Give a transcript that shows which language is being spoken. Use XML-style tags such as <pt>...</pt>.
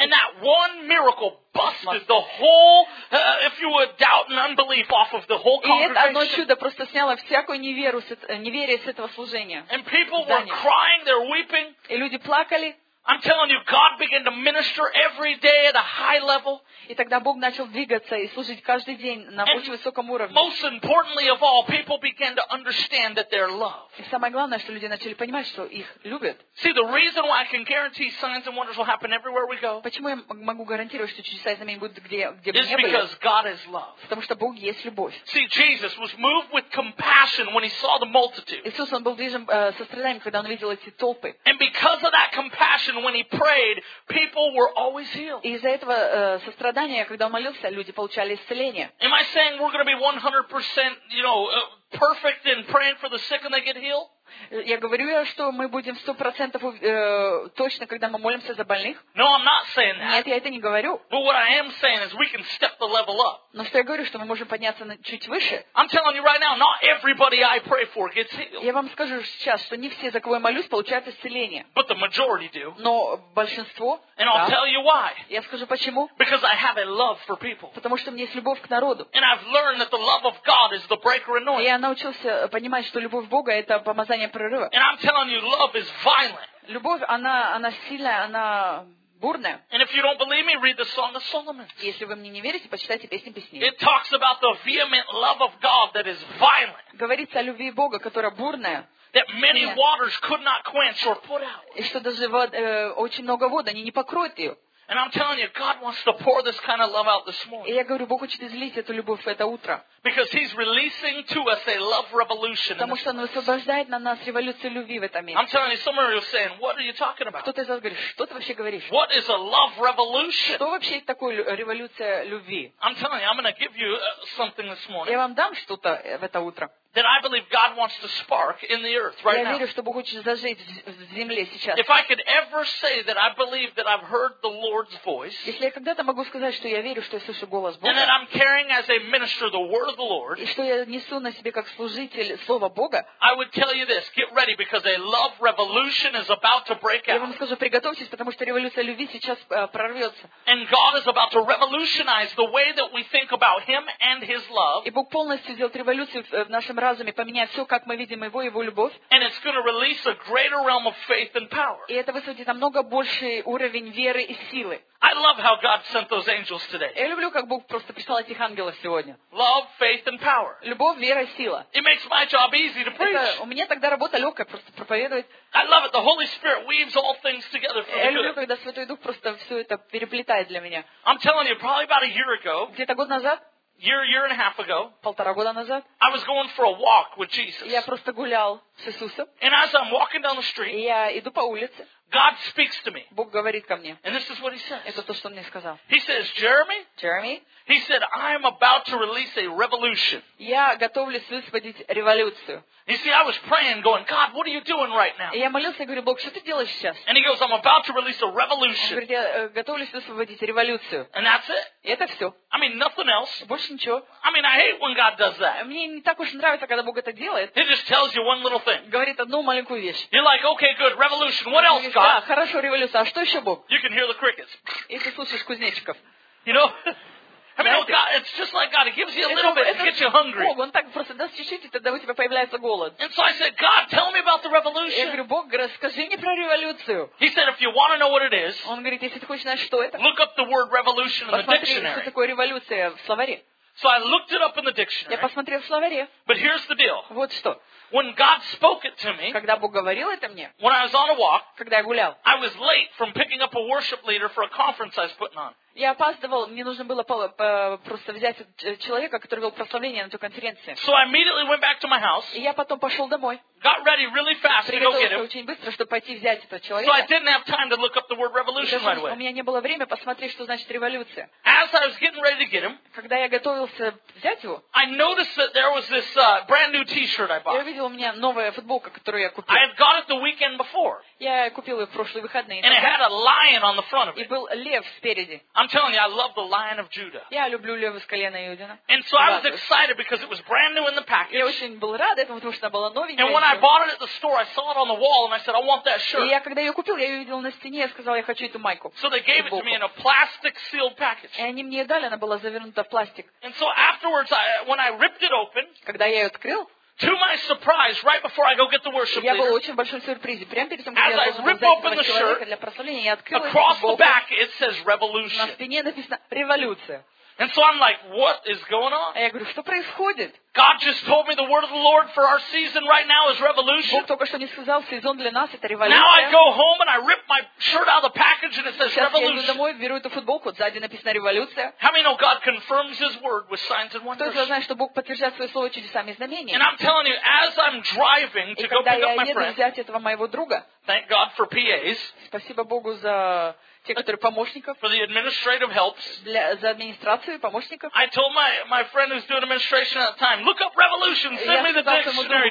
<en>And that one miracle busted the whole, if you would, doubt and unbelief off of the whole congregation.</en> <ru>И это одно чудо просто сняло всякую неверие с этого служения.</ru> <en>And people were crying, they're weeping.</en> <ru>И люди плакали.</ru> <en>I'm telling you, God began to minister every day at a high level.</en> <ru>И тогда Бог начал двигаться и служить каждый день на очень высоком уровне.</ru> <en>Most importantly of all, people began to understand that they're loved.</en> <ru>И самое главное, что люди начали понимать, что их любят.</ru> <en>See, the reason why I can guarantee signs and wonders will happen everywhere we go.</en> <ru>Почему я могу гарантировать, что чудеса и знамения будут где бы ни были?</ru> <en>Is because God is love.</en> <ru>Потому что Бог есть любовь.</ru> <en>See, Jesus was moved with compassion when he saw the multitude.</en> <ru>Иисус он был движим состраданием, когда он видел эти толпы.</ru> <en>And because of that compassion, when he prayed, people were always healed.</en> <ru>Из-за этого когда молился, люди получали исцеление.</ru> <en>Am I saying we're going to be 100%, you know, perfect in praying for the sick and they get healed?</en> <ru>Я говорю, что мы будем 100% точно, когда мы молимся за больных.</ru> <en>No, I'm not saying that.</en> <ru>Нет, я это не говорю.</ru> <en>But what I am saying is we can step the level up.</en> <ru>Но что я говорю, что мы можем подняться чуть выше.</ru> <en>I'm telling you right now, not everybody I pray for gets healed.</en> <ru>Я вам скажу сейчас, что не все, за кого я молюсь, получают исцеление.</ru> <en>But the majority do.</en> <ru>Но большинство.</ru> <en>And I'll tell you why.</en> <ru>Я скажу почему.</ru> <en>Because I have a love for people.</en> <ru>Потому что у меня есть любовь к народу.</ru> <en>And I've learned that the love of God is the breaker anointing.</en> <ru>Я научился понимать, что любовь Бога это помазание.</ru> <en>And I'm telling you, love is violent.</en> <ru>Любовь, она сильная, она бурная.</ru> <en>And if you don't believe me, read the Song of Solomon.</en> <ru>Если вы мне не верите, почитайте песни песней.</ru> <en>It talks about the vehement love of God that is violent.</en> <ru>Говорится о любви Бога, которая бурная.</ru> <en>That many waters could not quench or put out.</en> <ru>И что даже очень много вод, они не покроют ее.</ru> <en>And I'm telling you, God wants to pour this kind of love out this morning.</en> <ru>И я говорю, Бог хочет излить эту любовь в это утро.</ru> <en>Because He's releasing to us a love revolution.</en> <ru>Потому что Он высвобождает на нас революцию любви в этом месте.</ru> <en>I'm telling you, somewhere you're saying, what are you talking about?</en> <ru>Кто-то из вас говорит, что ты вообще говоришь?</ru> <en>What is a love revolution?</en> <ru>Что вообще такое революция любви?</ru> <en>I'm telling you, I'm going to give you something this morning.</en> <ru>Я вам дам что-то в это утро.</ru> <en>That I believe God wants to spark in the earth right now.</en> <ru>Я верю, что Бог хочет зажечь в земле сейчас.</ru> <en>If I could ever say that I believe that I've heard the Lord's voice.</en> <ru>Если я когда-то могу сказать, что я верю, что я слышу голос Бога.</ru> <en>And that I'm carrying as a minister the word of the Lord.</en> <ru>И что я несу на себе как служитель слова Бога.</ru> <en>I would tell you this: get ready because a love revolution is about to break out.</en> <ru>Я вам скажу, приготовьтесь, потому что революция любви сейчас прорвется.</ru> <en>And God is about to revolutionize the way that we think about Him and His love.</en> <ru>И Бог полностью сделает революцию в нашем разуме, поменять все, как мы видим его, его любовь.</ru> <en>And it's going to release a greater realm of faith and power.</en> <ru>И это высвободит намного больший уровень веры и силы.</ru> <en>I love how God sent those angels today.</en> <ru>Я люблю, как Бог просто прислал этих ангелов сегодня.</ru> <en>Love, faith and power.</en> <ru>Любовь, вера, сила.</ru> <en>It makes my job easy to preach.</en> <ru>Это, у меня тогда работа легкая, просто проповедовать.</ru> <en>I love it. The Holy Spirit weaves all things together for</en> <ru>me. Я люблю, когда Святой Дух просто все это переплетает для меня.</ru> <en>I'm telling you, probably about a year ago.</en> <ru>Где-то год назад.</ru> <en>Year and a half ago.</en> <ru>Полтора года назад.</ru> <en>I was going for a walk with Jesus.</en> <ru>Я просто гулял с Иисусом.</ru> <en>And as I'm walking down the street.</en> <ru>Я иду по улице.</ru> <en>God speaks to me.</en> <ru>Бог говорит ко мне.</ru> <en>And this is what he says.</en> <ru>Это то, что мне сказал.</ru> <en>He says, Jeremy.</en> <ru>Jeremy.</ru> <en>He said, I'm about to release a revolution.</en> <ru>Я готовлюсь высвободить революцию.</ru> <en>You see, I was praying, going, God, what are you doing right now?</en> <ru>Я молился, говорю, Бог, что ты делаешь сейчас?</ru> <en>And he goes, I'm about to release a revolution.</en> <ru>Говорит, я готовлюсь высвободить революцию.</ru> <en>And that's it.</en> <ru>И это все.</ru> <en>I mean, nothing else.</en> <ru>Больше ничего.</ru> <en>I mean, I hate when God does that.</en> <ru>Мне не так уж нравится, когда Бог это делает.</ru> <en>He just tells you one little thing.</en> <ru>Говорит одну маленькую вещь.</ru> <en>You're like, okay, good, revolution. What else, God?</en> <ru>Да, хорошо, революция. А что еще, Бог?</ru> <en>You can hear the crickets.</en> <ru>И ты слышишь кузнечиков.</ru> <en>You know? I mean, oh God, it's just like God. It gives you a little bit to get you hungry.</en> <ru>Бог, он так просто даст чуть-чуть, и тогда у тебя появляется голод.</ru> <en>And so I said, God, tell me about the revolution.</en> <ru>Я говорю, Бог, расскажи мне про революцию.</ru> <en>He said, if you want to know what it is,</en> <ru>он говорит, если ты хочешь знать, что это,</ru> <en>look up the word revolution in the dictionary.</en> <ru>Посмотри, что такое революция в словаре.</ru> <en>So I looked it up in the dictionary.</en> <ru>Я посмотрел в словаре.</ru> <en>But here's the deal.</en> <ru>Вот что.</ru> <en>When God spoke it to me,</en> <ru>когда Бог говорил это мне,</ru> <en>when I was on a walk,</en> <ru>когда я гулял,</ru> <en>I was late from picking up a worship leader for a conference I was putting on.</en> <ru>Я опаздывал, мне нужно было просто взять человека, который вел прославление на той конференции.</ru> <en>So I immediately went back to my house.</en> <ru>И я потом пошел домой.</ru> <en>Got ready really fast to go get him.</en> <ru>Очень быстро, чтобы пойти взять этого человека.</ru> <en>So I didn't have time to look up the word revolution right away.</en> <ru>У меня не было времени посмотреть, что значит революция.</ru> <en>As I was getting ready to get him,</en> <ru>когда я готовился взять его,</ru> <en>I noticed that there was this brand new T-shirt I bought.</en> <ru>Я увидел, у меня новая футболка, которую я купил.</ru> <en>I had got it the weekend before.</en> <ru>Я купил ее в прошлые выходные.</ru> <en>And it had a lion on the front of it.</en> <ru>И был лев спереди.</ru> <en>I'm telling you, I love the Lion of Judah.</en> <ru>Я люблю лев из колена Иудина.</ru> <en>And so I was excited because it was brand new in the package.</en> <ru>Я очень был рад этому, потому что она была новенькая.</ru> <en>And when I bought it at the store, I saw it on the wall, and I said, I want that shirt.</en> <ru>И я когда ее купил, я ее видел на стене, я сказал, я хочу эту майку.</ru> <en>So they gave it to me in a plastic sealed package.</en> <ru>И они мне ее дали, она была завернута в пластик.</ru> <en>And so afterwards, when I ripped it open,</en> <ru>когда я ее открыл.</ru> <en>To my surprise, right before I go get the worship leader,</en> <ru>я был очень большим сюрпризом. Прямо перед тем, как</ru> <en>as</en> <ru>я</ru> <en>I rip open the shirt,</en> <ru>для прославления, я открыл</ru> <en>across</en> <ru>Богу,</ru> <en>the back, it says revolution.</en> <ru>На спине написано революция.</ru> <en>And so I'm like, what is going on?</en> <ru>А я говорю, что происходит?</ru> <en>God just told me the word of the Lord for our season right now is revolution.</en> <ru>Бог только что мне сказал, сезон для нас это революция.</ru> <en>Now I go home and I rip my shirt out of the package and it says revolution.</en> <ru>Сейчас я иду домой, беру эту футболку, сзади написано революция.</ru> <en>How many know God confirms His word with signs and wonders?</en> <ru>Кто-то знает, что Бог подтверждает свое слово чудесами и знамениями.</ru> <en>And I'm telling you, as I'm driving to go pick up my friend.</en> <ru>И когда я еду взять этого моего друга.</ru> <en>Thank God for PAs.</en> <ru>Спасибо Богу за тех, которые помощников.</ru> <en>For the administrative helps.</en> <ru>Для, за администрацию и помощников.</ru> <en>I told my friend who's doing administration at the time, look up revolution, send me the dictionary term.</en>